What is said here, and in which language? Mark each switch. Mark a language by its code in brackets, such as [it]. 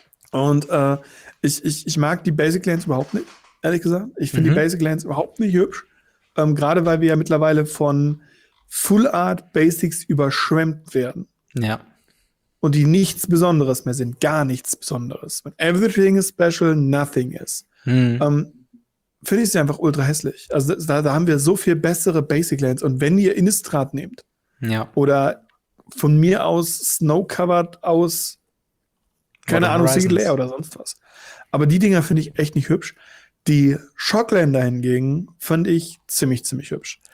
[de] Und ich mag die Basic Lands überhaupt nicht, ehrlich gesagt. Ich finde die Basic Lands überhaupt nicht hübsch. Gerade weil wir ja mittlerweile von Full Art Basics überschwemmt werden. Ja. Und die nichts Besonderes mehr sind. Gar nichts Besonderes. [en] When everything is special, nothing is. [de] Finde ich sie einfach ultra hässlich. Also da haben wir so viel bessere Basic Lands. Und wenn ihr Innistrad nehmt, ja, oder von mir aus Snowcovered aus, keine Ahnung, Single Air oder sonst was. Aber die Dinger finde ich echt nicht hübsch. Die Shocklander hingegen fand ich ziemlich, ziemlich hübsch.